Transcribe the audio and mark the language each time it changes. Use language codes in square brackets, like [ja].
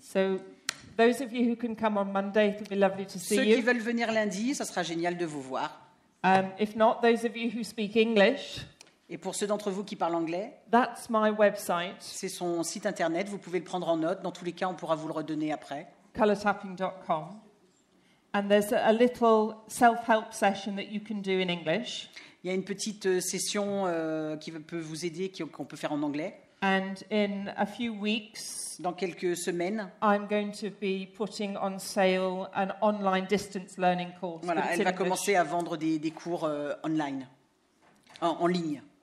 [en] So, those of you who can come on Monday, it'll be lovely to see [fr] Ceux [en] you. [fr] Qui veulent venir lundi, ça sera génial de vous voir. [en] If not, those of you who speak English. [fr] Et pour ceux d'entre vous qui parlent anglais. [en] That's my website. [fr] C'est son site internet. Vous pouvez le prendre en note. Dans tous les cas, on pourra vous le redonner après. [en] Colortapping.com. And there's a little self-help session that you can do in English. [fr] Il y a une petite session qui peut vous aider, qu'on peut faire en anglais. [en] And in a few weeks, [fr] dans quelques semaines, [en] I'm going to be putting on sale an online distance learning course. [fr] Voilà, elle va commencer à vendre des cours online, en ligne.